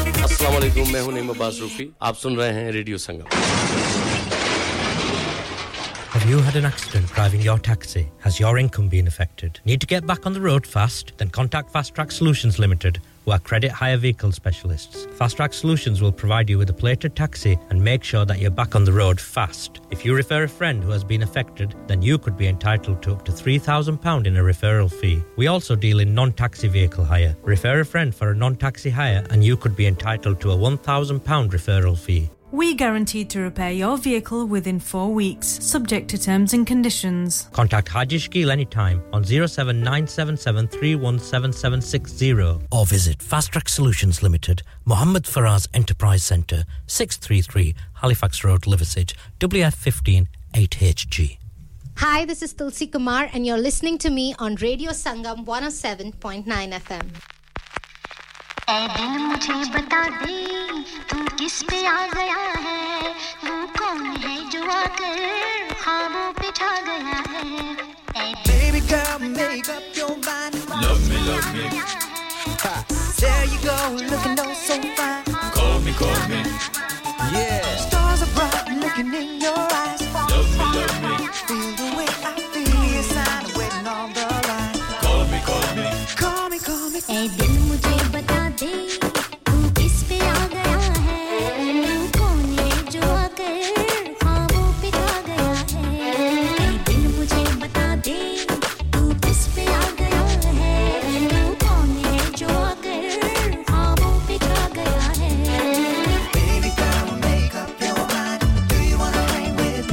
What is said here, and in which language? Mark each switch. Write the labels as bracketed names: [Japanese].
[Hindi] आप सुन रहे हैं radio Sangam. [English] Have you had an accident driving your taxi? Has your income been affected? Need to get back on the road fast? Then contact Fast Track Solutions Limited, who are credit hire vehicle specialists. Fast Track Solutions will provide you with a plated taxi and make sure that you're back on the road fast. If you refer a friend who has been affected, then you could be entitled to up to £3,000 in a referral fee. We also deal in non-taxi vehicle hire. Refer a friend for a non-taxi hire and you could be entitled to a £1,000 referral fee. We guarantee to repair your vehicle within 4 weeks, subject to terms and conditions. Contact Haji Shkil anytime on 07977 317760 or visit Fast Track Solutions Limited, Muhammad Faraz Enterprise Centre, 633 Halifax Road, Liversedge, WF15 8HG. Hi, this is Tulsi Kumar and you're listening to me on Radio Sangam 107.9 FM. [Hindi] ए दिल मुझे बता दे तू किस पे आ गया है वो कौन है जो आकर खाबों पे छा गया है [English] Baby girl, make up your mind Love me There you go, looking all so fine Call me Yeah Stars are bright, looking in your eyes Love me Feel the way I feel, your sign of waiting on the line Call me [Hindi] ए दिल मुझे बता तू किस पे आ गया है तू कौन है जो आकर खाबों पे आ गया है दिल मुझे बता दे तू किस पे आ गया है तू कौन है जो आकर खाबों पे आ गया है [English] Baby girl, make up your mind Do you wanna hang with me?